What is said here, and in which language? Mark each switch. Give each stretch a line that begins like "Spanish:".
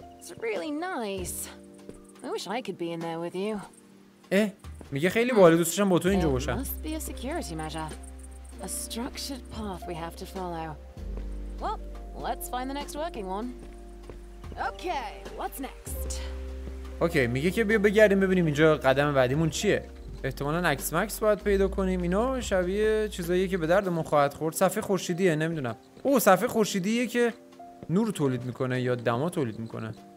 English: It's really nice. I wish I could be in there with you.
Persian: اه میگه خیلی باحال دوست داشتم با تو اینجا باشم.
English: Must be a security measure. A structured path we have to follow. Well, let's find the next working one. Okay, what's next?
Persian: Okay, میگه که بیا بگردیم ببینیم اینجا قدم بعدیمون چیه. احتمالاً اکس مکس باید پیدا کنیم. اینا شبیه چیزایی که به دردمون خواهد خورد. صفحه خورشیدیه، نمیدونم. او صفحه خورشیدیه که نور تولید میکنه یا دما تولید میکنه.